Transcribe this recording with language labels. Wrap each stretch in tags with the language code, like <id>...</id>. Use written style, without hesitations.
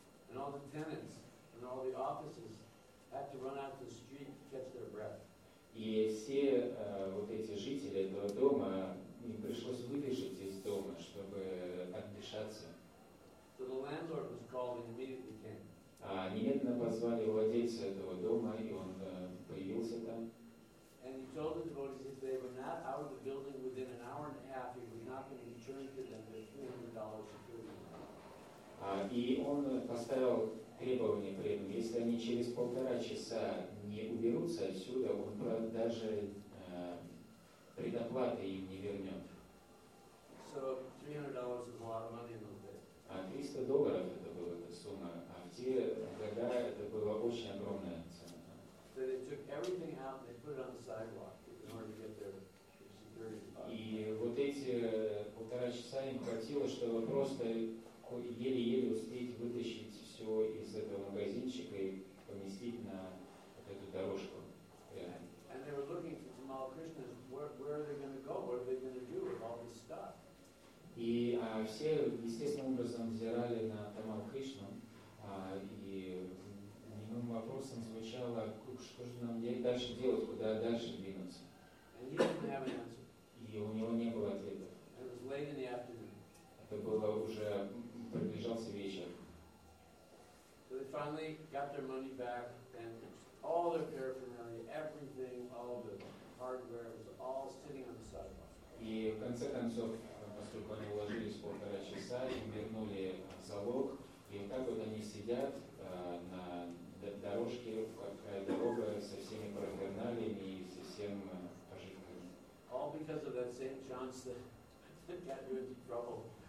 <en>And all the tenants and all the offices had to run out to the street to catch their breath.</en> <ru>И все вот эти жители этого дома, им пришлось выбежать из дома, чтобы отдышаться.</ru> <en>So the landlord was called and immediately came.</en> <ru>Немедленно позвали владельца этого дома, и он появился там.</ru> <en>And he told the devotees if they were not out of the building within an hour and a half, he was not going to return to them their $300 security.</en> <ru>И он поставил требование при этом, если они через полтора часа не уберутся отсюда, он даже предоплаты им не вернет.</ru> <en>So $300 is a lot of money in those days.</en> <ru>$300 это была эта сумма, а в те года это была очень огромная цена.</ru> <en>So they took everything out, they put it on the sidewalk in order to get their security.</en> <ru>И вот эти полтора часа им хватило, чтобы просто еле-еле успеть вытащить все из этого магазинчика и поместить на эту дорожку.</ru> <en>And they were looking for Jamal Krishna. Where are they going to go? What are they going to do with all this stuff?</en> <ru>И все естественным образом взирали на Тамал Кришну, и немым вопросом звучало, что же нам дальше делать, куда дальше двинуться.</ru> <en>And he didn't have an answer.</en> <ru>И у него не было ответа.</ru> <en>It was late in the afternoon.</en> <ru>Это было уже приближался вечер.</ru> <en>So they finally got their money back and all their paraphernalia, everything, all the hardware was all sitting on the sidewalk.</en> <ru>И в конце концов, поскольку они уложились полтора часа, им вернули залог, и вот так вот они сидят на дорожке, какая дорога со всеми параферналиями и со всем пожитками.</ru> <en>All because of that same chance that got you into trouble.</en>